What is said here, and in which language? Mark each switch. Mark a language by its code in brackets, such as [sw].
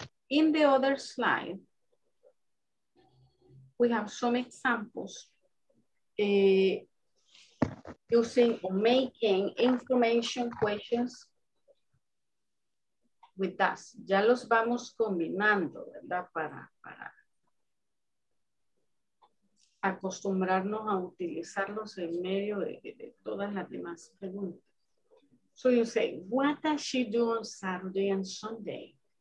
[en] In the other slide, we have some examples using or making information questions with us. [es] Ya los vamos combinando, ¿verdad? Para acostumbrarnos a utilizarlos en medio de todas las demás preguntas. [en] So you say, what does she do on Saturday and Sunday?